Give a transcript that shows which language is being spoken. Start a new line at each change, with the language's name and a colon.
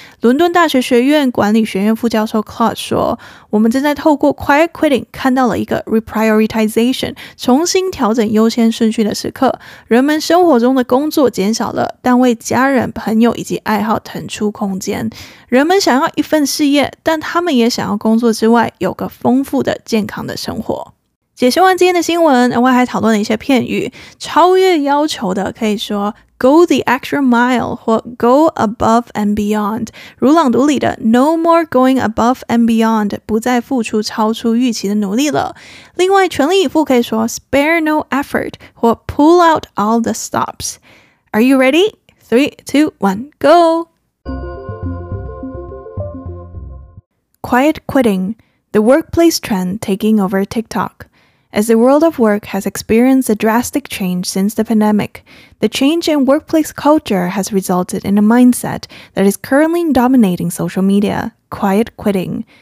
Chinese: 伦敦大学学院管理学院副教授 Claude 说，我们正在透过 quiet quitting 看到了一个 reprioritization, 重新调整优先顺序的时刻。人们生活中的工作减少了，但为家人、朋友以及爱好腾出空间。人们想要一份事业，但他们也想要工作之外，有个丰富的、健康的生活。解释完今天的新闻，我还讨论了一些片语。超越要求的可以说
English: go the extra mile
Chinese: 或
English: go above and beyond。
Chinese: 如朗读里的
English: no more going above and beyond，
Chinese: 不再付出超出预期的努力了。另外全力以赴可以说
English: spare no effort
Chinese: 或
English: pull out all the stops。 Are you ready? 3, 2, 1, go! Quiet quitting, the workplace trend taking over TikTokAs the world of work has experienced a drastic change since the pandemic, the change in workplace culture has resulted in a mindset that is currently dominating social media, quiet quitting.